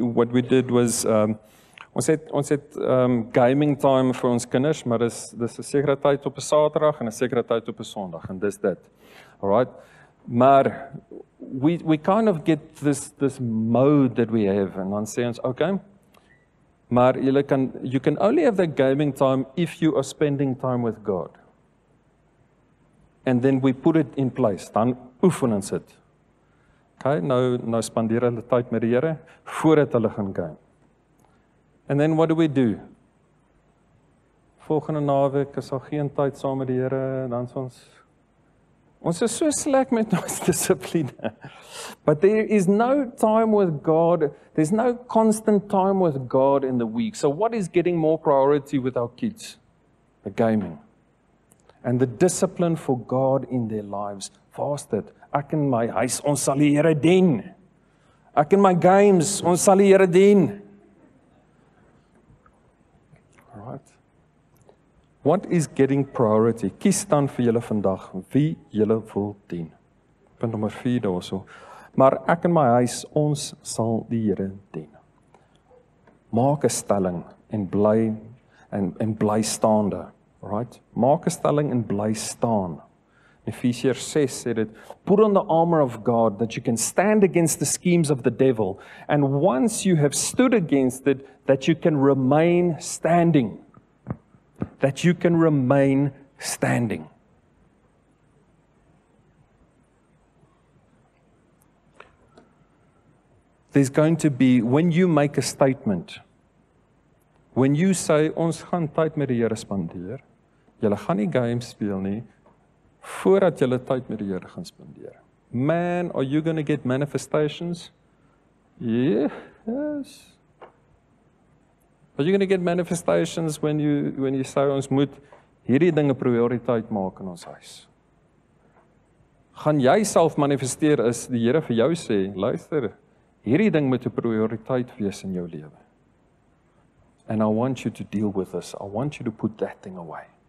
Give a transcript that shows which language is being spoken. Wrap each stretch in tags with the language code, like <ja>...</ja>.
<en>We did gaming time</en> <af>vir ons kinders, maar dis 'n sekere tyd op 'n Saterdag en 'n sekere tyd op 'n Sondag en dis dit.</af> <en>All right. Maar we kind of get this mode that we have and on sense, okay? Maar you can only have that gaming time if you are spending time with God. And then we put it in place.</en> <af>Dan oefen ons dit. Okay, nou spandeer hulle tyd met die Here voordat hulle gaan game.</af> <en>And then what do we do?</en> <af>Volgende naweek is daar geen tyd saam met die Here, dan is ons Ons is so slack met ons dissipline.</af> <en>But there is no time with God. There's no constant time with God in the week. So what is getting more priority with our kids? The gaming. And the discipline for God in their lives. Fasted.</en> <af>Ek in my huis, ons sal die Here dien. Ek in my games, ons sal die Here dien.</af> <en>Alright. What is getting priority?</en> <af>Kies dan vir julle vandag, wie julle wil dien. Punt nummer 4 daarso. Maar ek in my huis, ons sal die Here dien. Maak 'n stelling en bly staande. Right? Maak 'n stelling en bly staan.</af> <en>Ephesians 6 said it, put on the armor of God that you can stand against the schemes of the devil. And once you have stood against it, that you can remain standing. That you can remain standing. There's going to be, when you make a statement, when you say,</en> <af>ons gaan tyd met die Here spandeer, julle gaan nie games speel nie, voordat julle tyd met die Here gaan spandeer.</af> <en>Man, are you going to get manifestations? Yes. Are you going to get manifestations when you say</en> <af>ons moet hierdie dinge prioriteit maak in ons huis? Gaan jy self manifesteer as die Here vir jou sê, luister, hierdie ding moet 'n prioriteit wees in jou lewe.</af> <en>And I want you to deal with this. I want you to put that thing away.</en>